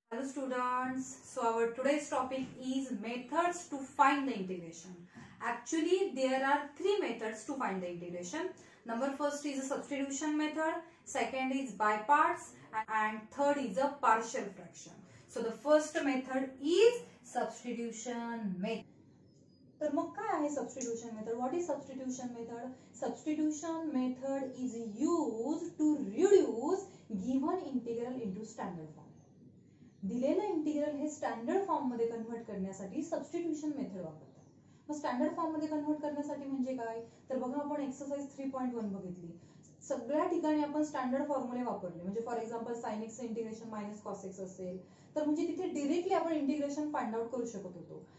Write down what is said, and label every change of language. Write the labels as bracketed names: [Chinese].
[English] Hello students, so our today's topic is methods to find the integration. Actually there are three methods to find the integration. Number first is a substitution method, second is by parts, and third is a partial fraction. So the first method is substitution method. [Marathi] तर मग काय आहे substitution method? [English] What is substitution method? Substitution method is use to reduce given integral into standard form. [Marathi] दिलेलं integral हे standard form मध्ये convert करण्यासाठी substitution method वापरतात. मग स्टँडर्ड फॉर्म मध्ये कन्वर्ट करण्यासाठी म्हणजे काय? तर बघा, आपण एक्सरसाइज 3.1 बघितली. सगळ्या ठिकाणी आपण स्टँडर्ड फॉर्म्युले वापरले, म्हणजे [English] for example [Marathi] sine x integration minus cos x असेल तर म्हणजे तिथे डिरेक्टली आपण इंटिग्रेशन फाइंड आउट करू शकत होतो.